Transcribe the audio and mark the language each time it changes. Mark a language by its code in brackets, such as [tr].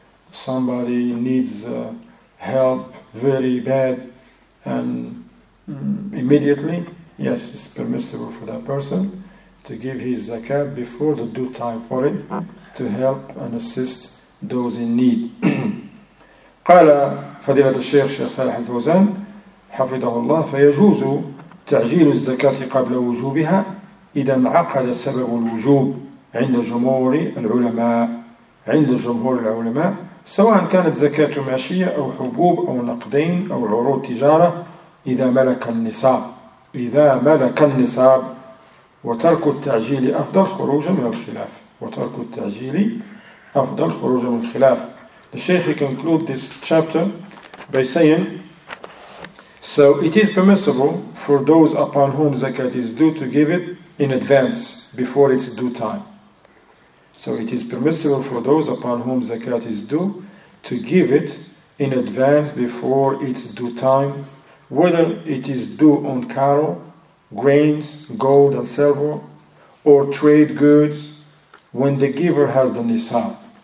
[en] Somebody needs help very bad. And immediately, yes, it's permissible for that person to give his zakat before the due time for it to help and assist those in need. [ar] قَالَ فضيلة الشيخ صالح الفوزان حفظه الله، فيجوز تعجيل الزكاة قبل وجوبها إذا انعقد سبب الوجوب عند جمهور العلماء، عند جمهور العلماء، سواء كانت زكاة ماشية أو حبوب أو نقدين أو عروض تجارة، إذا ملك النصاب، إذا ملك النصاب. وترك التعجيل أفضل خروجا من الخلاف، وترك التعجيل أفضل خروجا من الخلاف. [en] The Sheikh concludes this chapter by saying, so it is permissible for those upon whom zakat is due to give it in advance before its due time. So it is permissible for those upon whom zakat is due to give it in advance before its due time, whether it is due on cattle, grains, gold and silver, or trade goods, when the giver has the nisab.